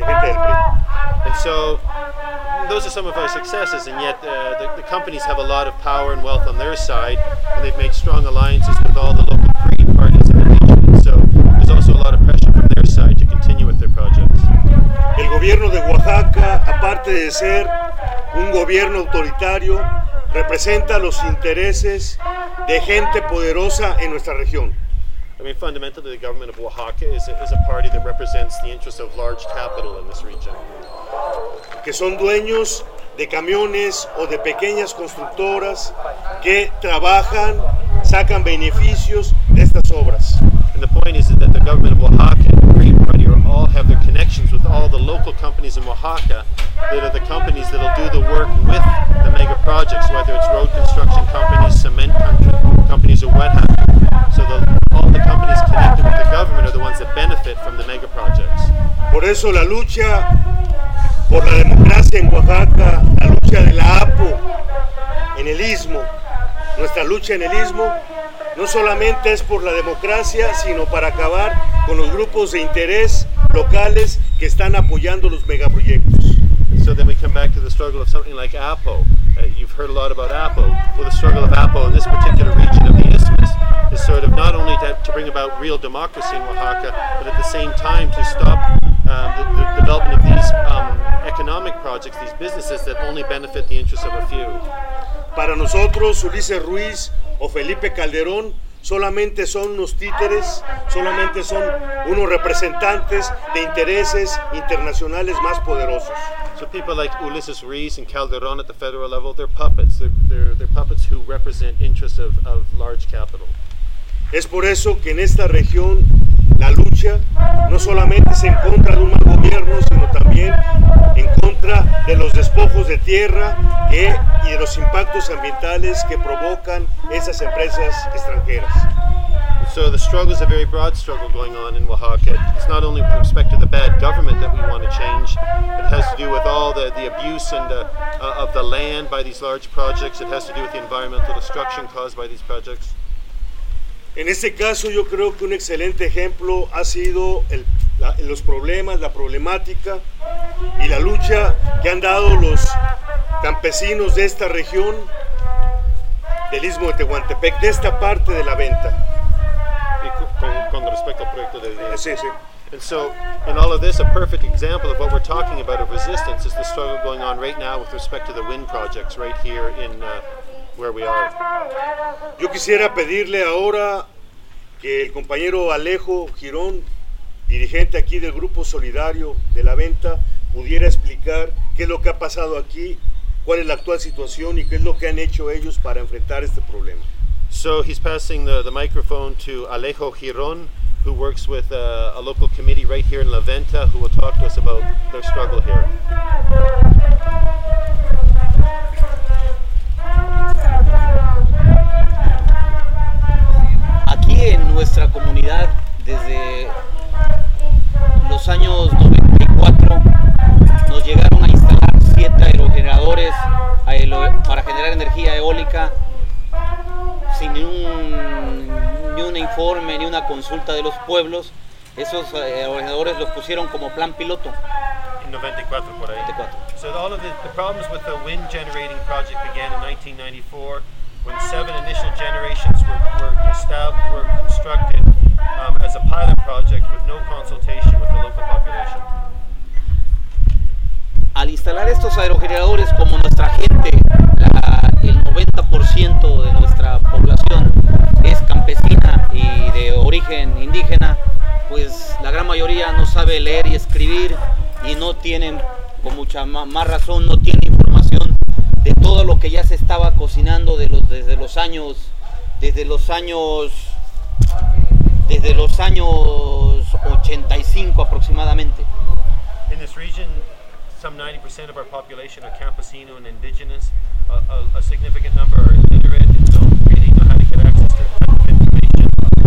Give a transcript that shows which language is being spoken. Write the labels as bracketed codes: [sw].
[en] And so, those are some of our successes, and yet the companies have a lot of power and wealth on their side, and they've made strong alliances with all the local PRI parties in the region, and so there's also a lot of pressure from their side to continue with their projects. [es] El gobierno de Oaxaca, aparte de ser un gobierno autoritario, representa los intereses de gente poderosa en nuestra región. [en] I mean, fundamentally, the government of Oaxaca is a party that represents the interests of large capital in this region. [es] Que son dueños de camiones o de pequeñas constructoras que trabajan, sacan beneficios de estas obras. [en] And the point is that the government of Oaxaca and the Green Party all have their connections with all the local companies in Oaxaca that are the companies that will do the work with the mega projects, whether it's road construction companies, cement companies, or wet hack. So all the companies connected with the government are the ones that benefit from the mega projects. [es] Por eso la lucha por la democracia en Oaxaca, la lucha de la APO en el Istmo, nuestra lucha en el Istmo, no solamente es por la democracia, sino para acabar con los grupos de interés locales que están apoyando los megaproyectos. [en] So then we come back to the struggle of something like Apo. You've heard a lot about Apo. Well, the struggle of Apo in this particular region of the Isthmus is sort of not only to bring about real democracy in Oaxaca, but at the same time to stop the development of these economic projects, these businesses that only benefit the interests of a few. [es] Para nosotros, Ulises Ruiz o Felipe Calderón solamente son unos títeres, solamente son unos representantes de intereses internacionales más poderosos. [en] So people like Ulises Ruiz and Calderón at the federal level, they're puppets. They're puppets who represent interests of large capital. [es] Es por eso que en esta región la lucha no solamente es en contra de un mal gobierno, sino también en contra de los despojos de tierra y de los impactos ambientales que provocan esas empresas extranjeras. [en] So the struggle is a very broad struggle going on in Oaxaca. It's not only with respect to the bad government that we want to change. It has to do with all the abuse and of the land by these large projects. It has to do with the environmental destruction caused by these projects. [es] En este caso, yo creo que un excelente ejemplo ha sido los problemas, la problemática y la lucha que han dado los campesinos de esta región del Istmo de Tehuantepec, de esta parte de la venta. Y con respecto al proyecto de vida. Sí, sí. [en] And so, in all of this, a perfect example of what we're talking about of resistance is the struggle going on right now with respect to the wind projects right here in where we are. [es] Yo quisiera pedirle ahora que el compañero Alejo Girón, dirigente aquí del Grupo Solidario de la Venta, pudiera explicar qué es lo que ha pasado aquí, cuál es la actual situación y qué es lo que han hecho ellos para enfrentar este problema. [en] So he's passing the microphone to Alejo Girón, who works with a local committee right here in La Venta, who will talk to us about their struggle here. [es] Aquí en nuestra comunidad, desde los años 94, nos llegaron a instalar 7 aerogeneradores para generar energía eólica sin ni un informe ni una consulta de los pueblos. Esos aerogeneradores los pusieron como plan piloto. In 94, por ahí. 94. [en] So all of the problems with the wind generating project began in 1994, when 7 initial generations were constructed as a pilot project with no consultation with the local population. [es] Al instalar estos aerogeneradores, como nuestra gente, el 90% de nuestra población es campesina y de origen indígena, pues la gran mayoría no sabe leer y escribir y no tienen, con mucha más razón, no tienen información de todo lo que ya se estaba cocinando desde los años 85 aproximadamente. [en] In this region, some 90% of our population are campesino and indigenous. A significant number are illiterate and don't really know how to get access to